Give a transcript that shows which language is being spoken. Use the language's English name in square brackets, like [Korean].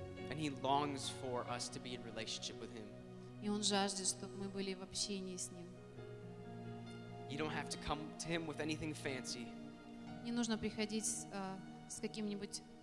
[English] And He longs for us to be in relationship with Him. [Russian] И Он жаждет, чтобы мы были в общении с Ним. [English] You don't have to come to Him with anything fancy. [Russian] Не нужно приходить с каким-нибудь.